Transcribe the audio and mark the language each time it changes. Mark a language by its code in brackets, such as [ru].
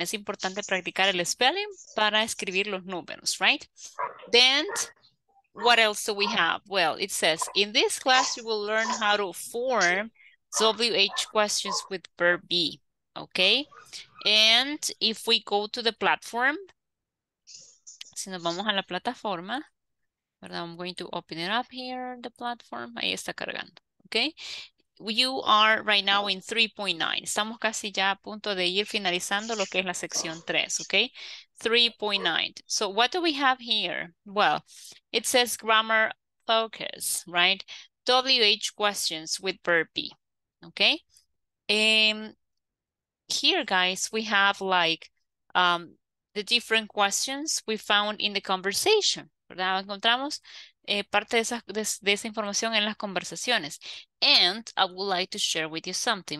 [es] Es importante practicar el spelling para escribir los números, right? [en] Then, what else do we have? Well, it says, in this class, you will learn how to form WH questions with verb be, okay? And if we go to the platform, [es] si nos vamos a la plataforma, ¿verdad? [en] I'm going to open it up here, the platform. [es] Ahí está cargando, [en] okay? you are right now in 3.9. [es] Estamos casi ya a punto de ir finalizando lo que es la sección 3, ¿ok? [en] 3.9. So what do we have here? Well, it says grammar focus, right? WH questions with verb be, okay? Here, guys, we have like the different questions we found in the conversation, ¿verdad? [es] Encontramos parte de esa información en las conversaciones. [en] And I would like to share with you something.